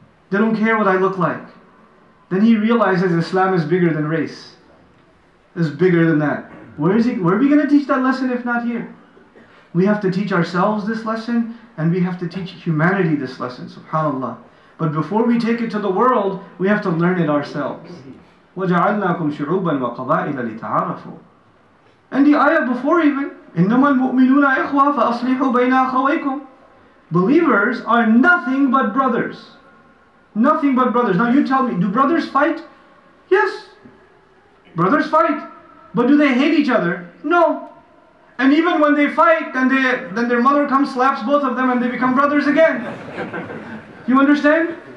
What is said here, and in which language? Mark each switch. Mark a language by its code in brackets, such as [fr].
[en] They don't care what I look like. Then he realizes Islam is bigger than race. It's bigger than that. Where are we going to teach that lesson if not here? We have to teach ourselves this lesson and we have to teach humanity this lesson, subhanAllah. But before we take it to the world, we have to learn it ourselves. [ar] وَجَعَلْنَاكُمْ شُعُوبًا وَقَبَائِلَ لِتَعَارَفُوا. [en] And the ayah before even, [ar] إِنَّمَا الْمُؤْمِنُونَ إِخْوَةٌ فَأَصْلِحُوا بَيْنَ أَخَوَيْكُمْ. [en] Believers are nothing but brothers. Nothing but brothers. Now you tell me, do brothers fight? Yes. Brothers fight. But do they hate each other? No. And even when they fight, then their mother comes, slaps both of them, and they become brothers again. You understand?